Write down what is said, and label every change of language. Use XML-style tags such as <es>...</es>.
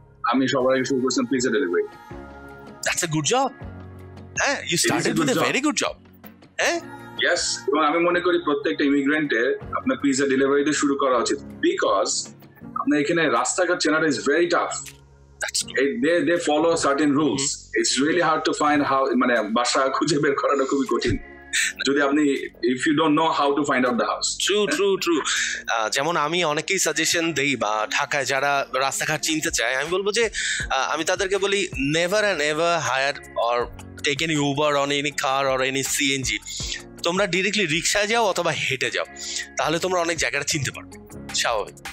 <bn>আমি সবার আগে শুরু করেছিলাম pizza delivery.</bn> <en>That's a good job. হ্যাঁ, you started with a very good job. হ্যাঁ, yes.</en> <bn>এবং আমি মনে করি প্রত্যেকটা ইমিগ্রেন্টে আপনার পিজা ডেলিভারি দিয়ে শুরু করা উচিত, বিকজ আপনার এখানে রাস্তাঘাট চেনাটা</bn> <en>Is very tough. They follow certain rules. Mm-hmm. It's really hard to find how,</en> <bn>মানে বাসা খুঁজে বের করাটা খুবই কঠিন, যদি আপনি</bn> <en>if you don't know how to find out the house. True.</en> <bn>যেমন আমি অনেকেই সাজেশন দেই বা ঢাকায় যারা রাস্তাঘাট চিনতে চায়, আমি বলবো যে আমি তাদেরকে বলি</bn> <en>never and ever hire or take any Uber on any car or any CNG.</en> <bn>তোমরা ডিরেক্টলি রিক্সা যাও অথবা হেঁটে যাও, তাহলে তোমরা অনেক জায়গাটা চিনতে পারবে স্বাভাবিক।</bn>